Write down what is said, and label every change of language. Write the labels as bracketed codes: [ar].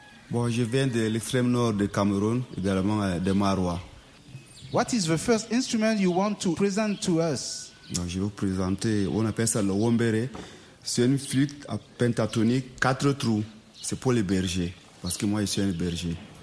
[fr] Bon, je viens de l'extrême nord de Cameroun, également de Maroua. [en] What is the first instrument you want to present to us? [fr] Bon, je vais vous présenter, on appelle ça le wombere. C'est une flûte à pentatonique, quatre trous. C'est pour les bergers, parce que moi, je suis un berger.